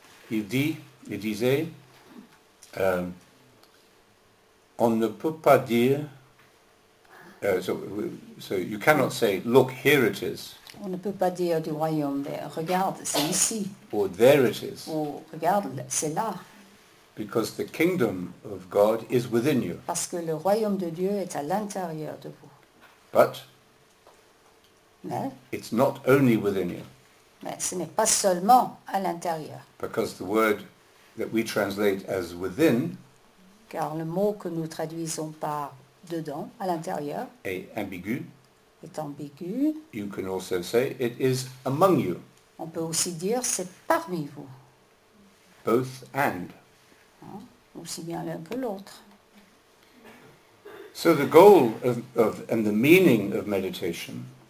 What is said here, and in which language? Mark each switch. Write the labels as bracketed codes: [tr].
[fr] Il disait, on ne peut pas dire, [en] you cannot say, look, here it is. [fr] On ne peut pas dire du royaume, mais regarde, c'est ici. [en] Or there it is. [fr] Ou regarde, c'est là. [en] Because the kingdom of God is within you. [fr] Parce que le royaume de Dieu est à l'intérieur de vous. [en] But [fr] mais, [en] it's not only within you. [fr] Mais ce n'est pas seulement à l'intérieur. [en] Because the word that we translate as within. [fr] Car le mot que nous traduisons par dedans, à l'intérieur, est ambigu. Est ambigu. [en] You can also say it is among you. [fr] On peut aussi dire c'est parmi vous. [en] Both and. [fr] Hein? Aussi bien l'un que l'autre. [en] So the goal of and the meaning of meditation.